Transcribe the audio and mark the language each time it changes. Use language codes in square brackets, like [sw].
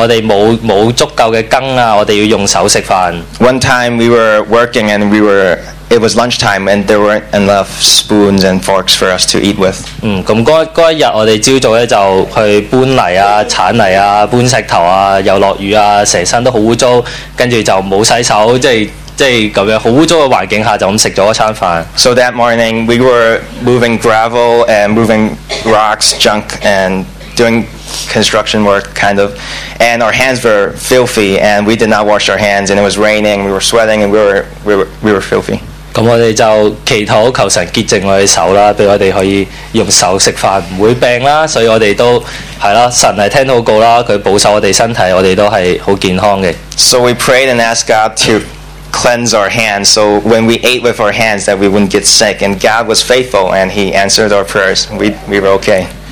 [zh] 還有有一次我們吃飯，我們沒有足夠的羹，我們要用手吃飯。 [en] One time we were working and we were, it was lunchtime and there weren't enough spoons and forks for us to eat with. [zh] 那天我們早上去搬泥、鏟泥、搬石頭、又下雨、整身都很髒，然後就沒有洗手，很髒的環境下就這樣吃了一頓飯。 [en] So that morning, we were moving gravel and moving rocks, junk, and doing construction work, kind of. And our hands were filthy and we did not wash our hands and it was raining, we were sweating and we were filthy. [zh] 我們就祈禱求神潔淨我們的手，讓我們可以用手吃飯，不會病，所以我們都，神是聽禱告，祂保守我們身體，我們都是很健康的。So [en] we prayed and asked God to cleanse our hands, so when we ate with our hands that we wouldn't get sick, and God was faithful and He answered our prayers, we were okay.